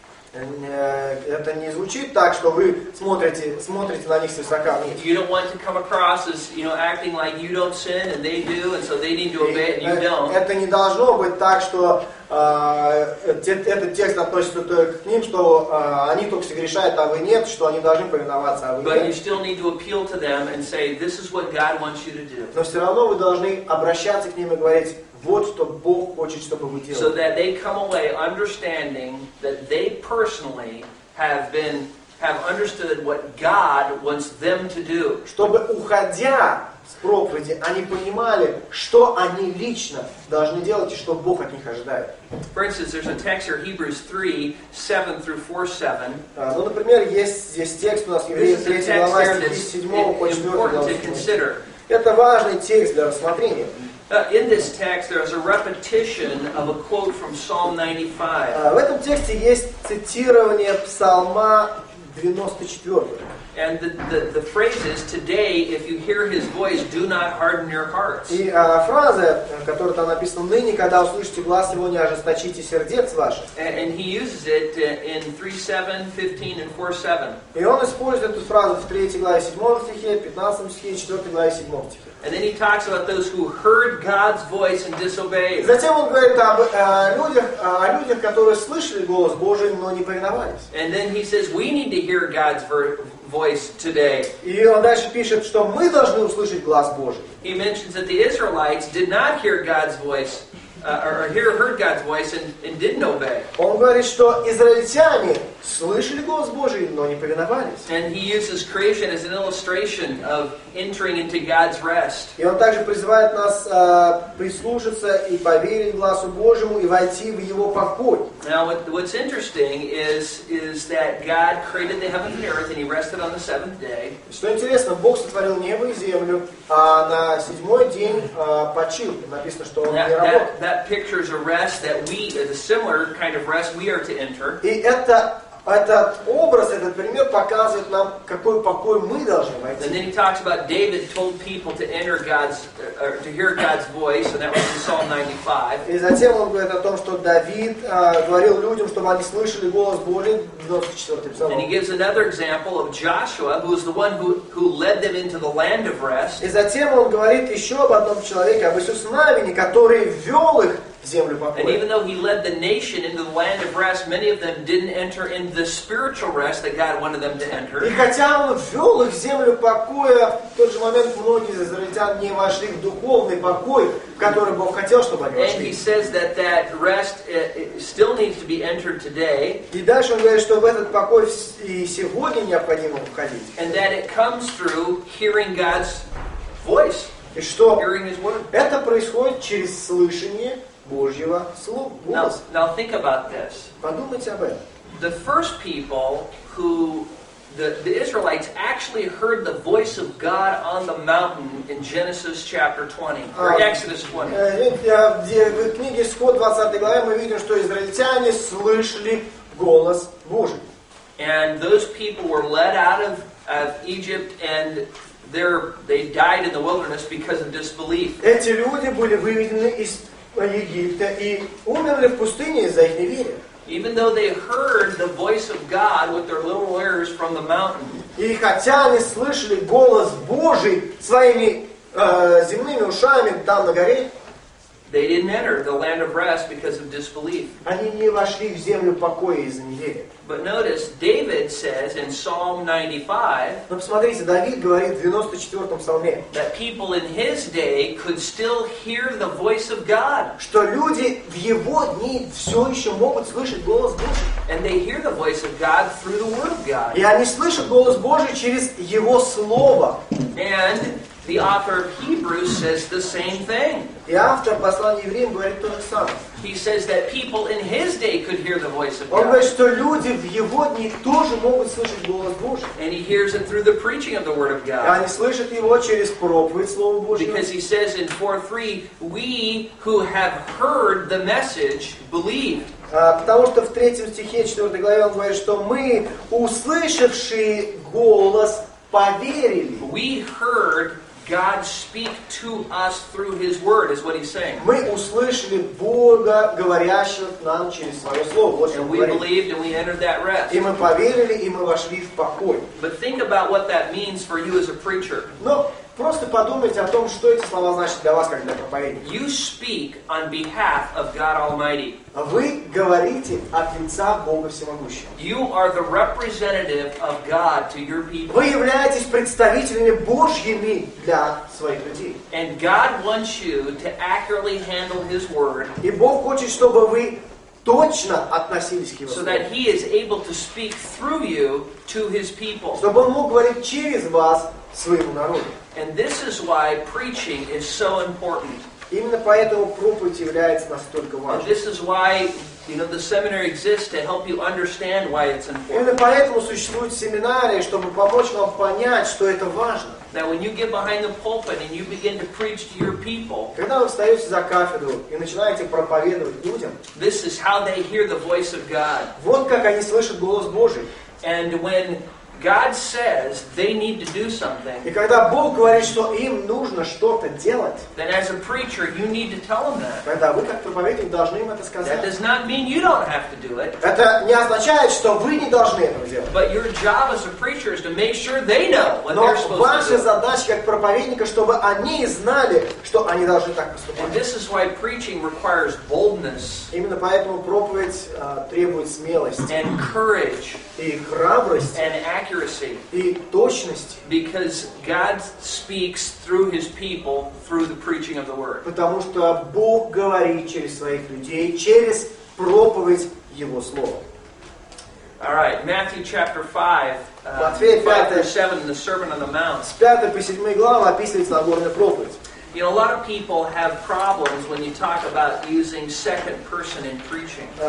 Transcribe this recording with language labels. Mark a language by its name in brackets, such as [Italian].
[Russian] Это не звучит так, что вы смотрите на них свысока. [English] You don't want to come across as, you know, acting like you don't sin and they do, and so they need to obey and you don't. [Russian] Это не должно быть так, что этот текст относится только к ним, что они только согрешают, а вы нет, что они должны повиноваться, а вы нет. [English] But you still need to appeal to them and say, this is what God wants you to do. [Russian] Но все равно вы должны обращаться к ним и говорить, вот что Бог хочет, чтобы вы делали. [English] So that they come away understanding that they personally have understood what God wants them to do. [Russian] Чтобы уходя с проповеди, они понимали, что они лично должны делать и что Бог от них ожидает. [English] For instance, there's a text here, Hebrews 3:7 through 4:7. [Russian] Ну, например, есть здесь текст у нас Евреям 3:7-4. Это важный текст для рассмотрения. [English] In this text, there is a repetition of a quote from Psalm 95. [Russian] В этом тексте есть цитирование Псалма 94. [English] And the phrase is, today, if you hear his voice, do not harden your hearts. [Russian] И фраза, которая там написана, ныне, когда услышите глас его, не ожесточите сердец ваше. [English] And he uses it in 3:7, 15, and 4:7. [Russian] И он использует эту фразу в 3 главе 7 стихе, 15 стихе, 4 главе 7 стихе. [English] And then he talks about those who heard God's voice and disobeyed. [Russian] Затем он говорит об людях, которые слышали голос Божий, но не повиновались. [English] And then he says, we need to hear God's voice today. [Russian] И он дальше пишет, что мы должны услышать глас Божий. [English] He mentions that the Israelites did not hear God's voice, or heard God's voice and didn't obey. [Russian] Он говорит, что израильтяне слышали голос Божий, но не повиновались. [English] And he uses creation as an illustration of entering into God's rest. [Russian] И он также призывает нас прислушаться и поверить гласу Божьему и войти в его покой. [English] Now, what's interesting is that God created the heaven and earth, and he rested on the seventh day. [Russian] Что интересно, Бог сотворил небо и землю, а на седьмой день почил. Написано, что он не работал. [English] That pictures a rest that we, a similar kind of rest we are to enter. [Russian] И это этот образ, этот пример показывает нам, какой покой мы должны войти. [English] And then he talks about David told people to enter God's, or to hear God's voice, and that was in Psalm 95. [Russian] И затем он говорит о том, что Давид говорил людям, чтобы они слышали голос Божий, 94-й псалом. [English] And he gives another example of Joshua, who was the one who led them into the land of rest. [Russian] И затем он говорит еще об одном человеке, об Иисусе Навине, который вел их. [English] And even though he led the nation into the land of rest, many of them didn't enter in the spiritual rest that God wanted them to enter. [Russian] И хотя он ввел их в землю покоя, в тот же момент многие из израильтян не вошли в духовный покой, который Бог хотел, чтобы они вошли. [English] And he says that rest still needs to be entered today. [Russian] И дальше он говорит, что в этот покой и сегодня необходимо входить. [English] And that it comes through hearing God's voice. [Russian] И что? Это происходит через слышание Божьего слова. [English] Now think about this. [Russian] Подумайте об этом. [English] The first people who the Israelites actually heard the voice of God on the mountain in Genesis chapter 20 or Exodus 20. [Russian] В книге Исход 20 главе мы видим, что израильтяне слышали голос Божий. [English] And those people were led out of Egypt and they died in the wilderness because of disbelief. [Russian] Эти люди были выведены из Египта и умерли в пустыне из-за их неверия. [English] Even though they heard the voice of God with their little ears from the mountain. [Russian] И хотя они слышали голос Божий своими земными ушами там на горе, [English] they didn't enter the land of rest because of disbelief. [Russian] Они не вошли в землю покоя из-за неверия. [English] But notice, David says in Psalm 95. [Russian] Но посмотрите, Давид говорит в 94-м псалме. [English] That people in his day could still hear the voice of God. [Russian] Что люди в его дни все еще могут слышать голос Божий. [English] And they hear the voice of God through the Word of God. [Russian] И они слышат голос Божий через Его Слово. [English] And the author of Hebrews says the same thing. [Russian] И автор послания Евреям говорит то же самое. [English] He says that people in his day could hear the voice of God. [Russian] Он говорит, что люди в его дни тоже могут слышать голос Божий. [English] And he hears it through the preaching of the word of God. [Russian] И они слышат его через проповедь Слова Божьего. [English] Because he says in 4:3, we who have heard the message believe. [Russian] Потому что в 3 стихе 4 главе он говорит, что мы, услышавшие голос, поверили. [English] We heard God speak to us through His Word, is what He's saying. [Russian] Мы услышали Бога, говорящего нам через Своё Слово. [English] And we believed and we entered that rest. [Russian] И мы поверили, и мы вошли в покой. [English] But think about what that means for you as a preacher. [Russian] Но просто подумайте о том, что эти слова значат для вас, как для проповедника. [English] You speak on behalf of God Almighty. [Russian] Вы говорите от лица Бога Всемогущего. [English] You are the representative of God to your people. [Russian] Вы являетесь представителями Божьими для своих людей. [English] And God wants you to accurately handle His Word. [Russian] И Бог хочет, чтобы вы точно относились к его слову. [English] So that he is able to speak through you to his people. [Russian] Чтобы он мог говорить через вас своему народу. [English] And this is why preaching is so important. [Russian] Именно поэтому проповедь является настолько важной. [English] And this is why, you know, the seminary exists to help you understand why it's important. [Russian] Именно поэтому существуют семинарии, чтобы помочь вам понять, что это важно. [English] Now, when you get behind the pulpit and you begin to preach to your people, [Russian] когда вы встаете за кафедру и начинаете проповедовать людям, [English] this is how they hear the voice of God. [Russian] Вот как они слышат голос Божий. [English] And when God says they need to do something, [Russian] и когда Бог говорит, что им нужно что-то делать, [English] then as a preacher, you need to tell them that. [Russian] Тогда вы как проповедник должны им это сказать. [English] That does not mean you don't have to do it. [Russian] Это не означает, что вы не должны этого делать. [English] But your job as a preacher is to make sure they know what [Russian] Но [English] they're supposed to do. [Russian] Но ваша задача как проповедника, чтобы они знали, что они должны так поступать. [English] And this is why preaching requires boldness. [Russian] Именно поэтому проповедь требует смелости. [English] And courage. [Russian] И храбрости. [English] And accuracy. [Russian] И точности. [English] Because God speaks through his people through the preaching of the word. [Russian] Потому что Бог говорит через своих людей, через проповедь его слова. [English] All right, Matthew chapter 5. [Russian] Матфея [English] 5:7, the Sermon on the Mount. [Russian] С 5 по 7 главу описывается Нагорная проповедь. [English] You know, a lot of people have problems when you talk about using second person in preaching.